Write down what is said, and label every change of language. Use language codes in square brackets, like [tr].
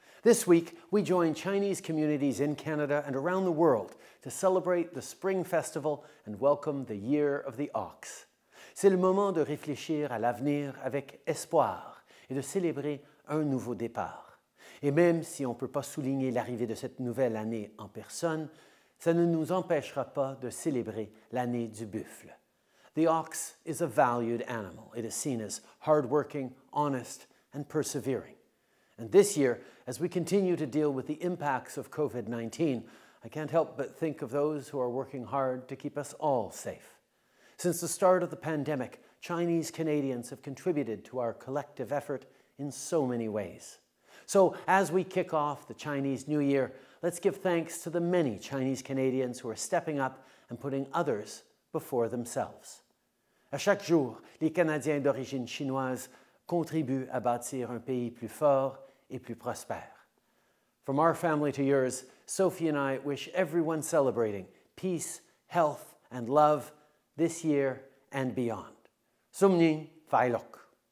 [en] This week, we join Chinese communities in Canada and around the world to celebrate the Spring Festival and welcome the Year of the Ox. [fr] C'est le moment de réfléchir à l'avenir avec espoir et de célébrer un nouveau départ. Et même si on ne peut pas souligner l'arrivée de cette nouvelle année en personne, ça ne nous empêchera pas de célébrer l'année du buffle. [en] The ox is a valued animal. It is seen as hardworking, honest, and persevering. And this year, as we continue to deal with the impacts of COVID-19, I can't help but think of those who are working hard to keep us all safe. Since the start of the pandemic, Chinese Canadians have contributed to our collective effort in so many ways. So as we kick off the Chinese New Year, let's give thanks to the many Chinese Canadians who are stepping up and putting others before themselves. [fr] À chaque jour, les Canadiens d'origine chinoise contribuent à bâtir un pays plus fort et plus prospère. [en] From our family to yours, Sophie and I wish everyone celebrating peace, health, and love this year and beyond. [yue] Sumning Fai Lok.